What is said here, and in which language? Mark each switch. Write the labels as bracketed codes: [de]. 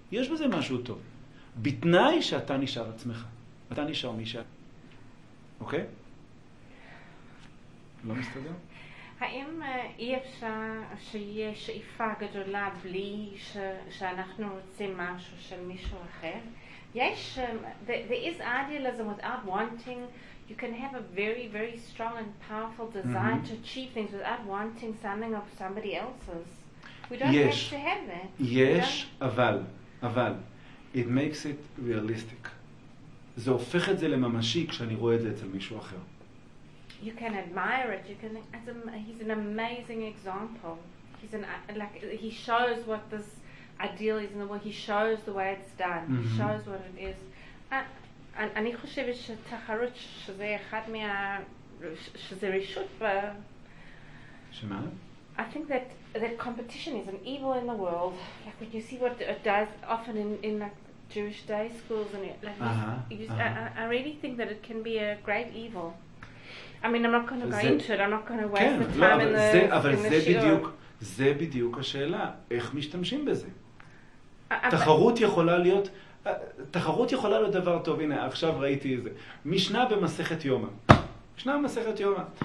[he] יש בזה משהו טוב. בתנאי שאתה נשאר עצמך. אתה נשאר מי שאתה. אוקיי? לא מסתדר? האם אי אפשר שיהיה שאיפה גדולה בלי שאנחנו רוצים משהו של מישהו אחר? [en] Yes, there is idealism without wanting. You can have a very, very strong and powerful desire mm-hmm. to achieve things without wanting something of somebody else's. We don't yes. have to have that. Yes, aval. It makes it realistic. [he] זה הופך את זה לממשי כשאני רואה את זה אצל מישהו אחר. [en] You can admire it. You can. He's an amazing example. He's an like he shows what this ideal is in the world. He shows the way it's done. Mm-hmm. He shows what it is. [he] אני חושבת שתחרות שזה אחד מה שזה רשות ב. שמה? [en] I think that the competition is an evil in the world. Like when you see what it does often in like Jewish day schools and it, like uh-huh. I really think that it can be a great evil. I mean, I'm not going to go into it. I'm not going to waste the time in the shiur. [he] אבל זה בדיוק, זה בדיוק השאלה. איך משתמשים בזה? תחרות יכולה להיות, תחרות יכולה להיות דבר טוב. הנה, עכשיו ראיתי איזה. משנה במסכת יומא. משנה במסכת יומא.